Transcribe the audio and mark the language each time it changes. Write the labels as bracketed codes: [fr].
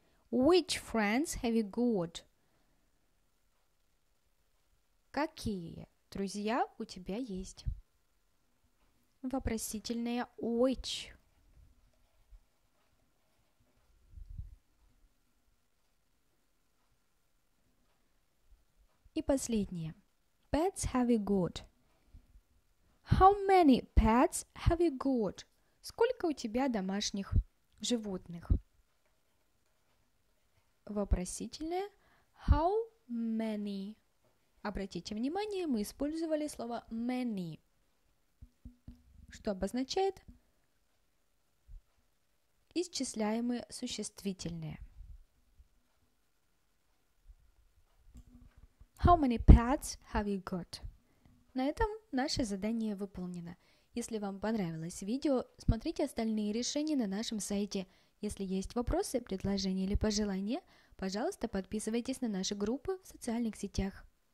[en] Which friends have you got? [ru] Какие друзья у тебя есть? Вопросительное which. И последнее. [en] Pets have you got? How many pets have you got? [ru] Сколько у тебя домашних животных? Вопросительное. [en] How many? [ru] Обратите внимание, мы использовали слово many. что обозначает исчисляемые существительные. [en] How many pets have you got? [ru] На этом наше задание выполнено. Если вам понравилось видео, смотрите остальные решения на нашем сайте. Если есть вопросы, предложения или пожелания, пожалуйста, подписывайтесь на наши группы в социальных сетях.